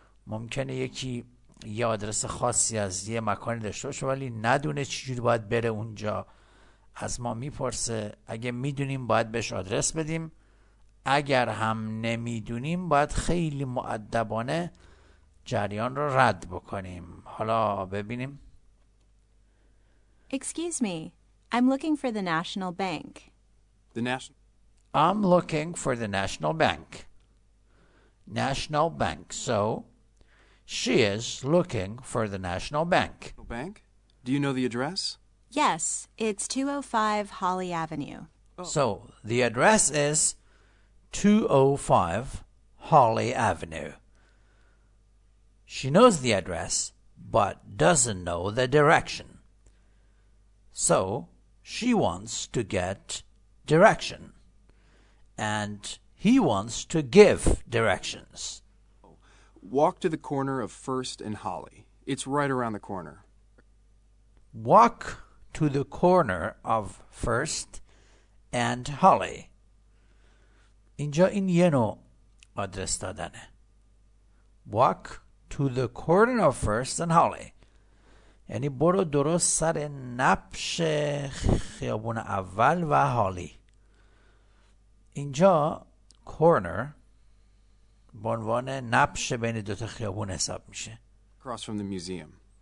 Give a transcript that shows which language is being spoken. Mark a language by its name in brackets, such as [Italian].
[Persian] ممکنه یکی یه آدرس خاصی از یه مکانی داشته باشه ولی ندونه چجوری باید بره اونجا، از ما میپرسه. اگه میدونیم باید بهش آدرس بدیم، اگر هم نمیدونیم باید خیلی مؤدبانه جریان رو رد بکنیم. حالا ببینیم. [English] Excuse me, I'm looking for the National Bank. I'm looking for the National Bank. National Bank. So, she is looking for the National Bank. Bank? Do you know the address? Yes, it's 205 Holly Avenue. So, the address is 205 Holly Avenue. She knows the address, but doesn't know the direction. So, she wants to get direction. And he wants to give directions. Walk to the corner of First and Holly. It's right around the corner. Walk to the corner of First and Holly. [Persian] اینجا این یه نوع آدرس دادنه. [English] Walk to the corner of First and Holly. [Persian] یعنی برو درست سر نبش خیابون اول و هالی. اینجا corner به عنوان نبش بین دوتا خیابون حساب میشه. [English] Across from the museum.